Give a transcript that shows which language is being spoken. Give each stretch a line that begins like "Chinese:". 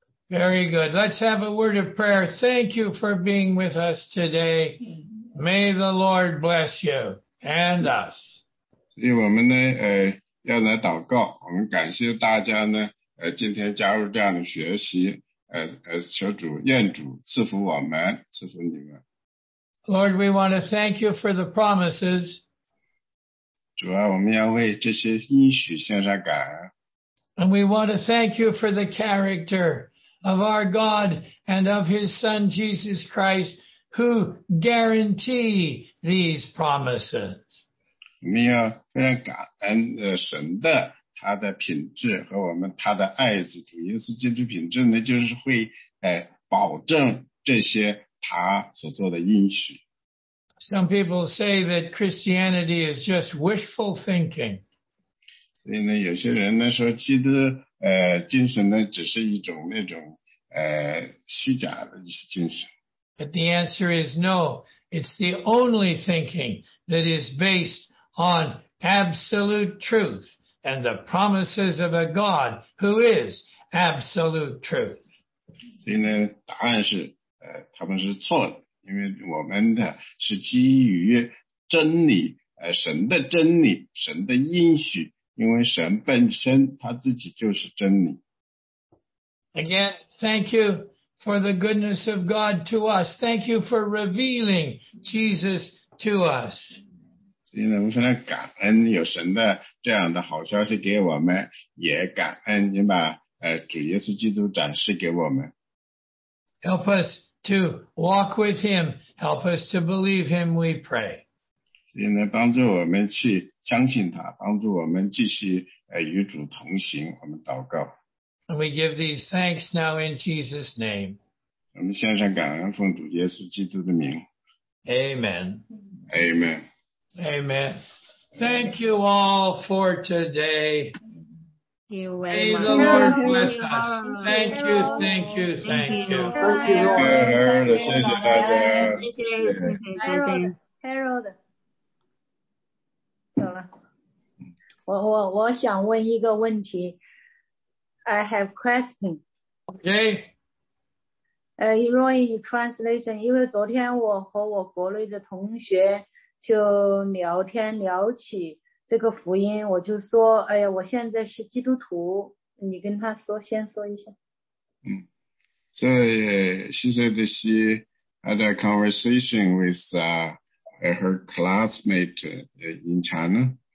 English: Very good. Let's have a word of prayer. Thank you for being with us today. May the Lord bless you and us.
Chinese: 所以我们呢，要来祷告。我们感谢大家呢，今天加入这样的学习，求主，愿主赐福我们，赐福你们。
English: Lord, we want to thank you for the promises.
Chinese: 主啊，我们要为这些应许献上感恩。
English: And we want to thank you for the character of our God and of his Son Jesus Christ who guarantee these promises.
Chinese: 我们要非常感恩神的他的品质和我们他的爱子主耶稣基督品质呢，就是会保证这些他所做的应许。
English: Some people say that Christianity is just wishful thinking.
Chinese: 所以呢，有些人呢说基督精神呢只是一种那种虚假的一些精神。
English: But the answer is no. It's the only thinking that is based on absolute truth and the promises of a God who is absolute truth.
Chinese: 所以呢，答案是。他们是错的，因为我们的是基于真理，神的真理，神的应许，因为神本身他自己就是真理。
English: Again, thank you for the goodness of God to us. Thank you for revealing Jesus to us.
Chinese: 所以呢，我们非常感恩有神的这样的好消息给我们，也感恩你把主耶稣基督展示给我们。
English: Help us to walk with him. Help us to believe him, we pray.
Chinese: 所以呢，帮助我们去相信他，帮助我们继续与主同行，我们祷告。
English: And we give these thanks now in Jesus' name.
Chinese: 我们献上感恩，奉主耶稣基督的名。
English: Amen. Amen. Amen. Thank you all for today. May the Lord bless us. Thank you, thank you, thank you.
Chinese: Harold, 谢谢大家。 Harold, Harold. 走了。我想问一个问题。
English: I have question. Okay.
Chinese: 容易 translation, 因为昨天我和我国内的同学就聊天聊起。这个福音我就说哎呀我现在是基督徒你跟他说先说一下。嗯。
English: So, she said that she had a conversation with her classmate in China.